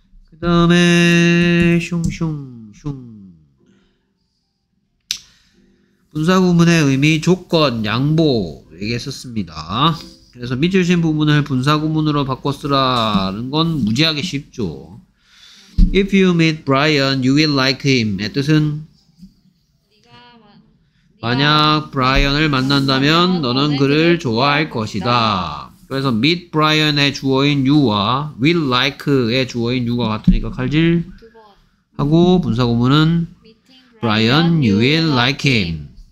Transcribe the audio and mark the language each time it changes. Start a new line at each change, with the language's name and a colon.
Korean: 그 다음에 슝슝슝 분사 구문의 의미 조건 양보 얘기했었습니다. 그래서 밑줄 신 부분을 분사 구문으로 바꿔 쓰라는 건 무지하게 쉽죠.
English: If you meet Brian, you will like him.
Korean: 뜻은 만약 브라이언을 만난다면 너는 그를 좋아할 것이다. 그래서
English: meet Brian
Korean: 의 주어인 you와
English: will like
Korean: 의 주어인 you가 같으니까 칼질 하고 분사고문은
English: Brian, you will like him.